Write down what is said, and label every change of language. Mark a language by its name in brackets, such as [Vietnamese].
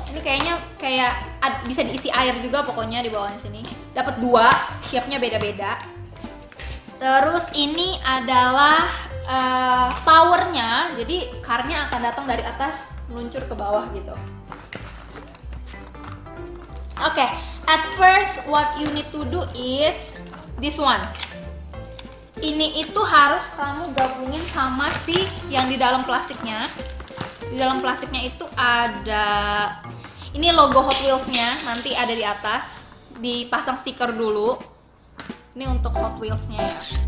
[Indonesian] Ini kayaknya kayak bisa diisi air juga pokoknya di bawah sini. Dapat dua, shape-nya beda-beda. Terus ini adalah powernya, jadi car-nya akan datang dari atas meluncur ke bawah gitu. [English] Oke, okay, at first what you need to do is this one. [Indonesian] Ini itu harus kamu gabungin sama si yang di dalam plastiknya. Di dalam plastiknya itu ada ini logo Hot Wheels-nya, nanti ada di atas. Dipasang stiker dulu. Ini untuk Hot Wheels-nya ya.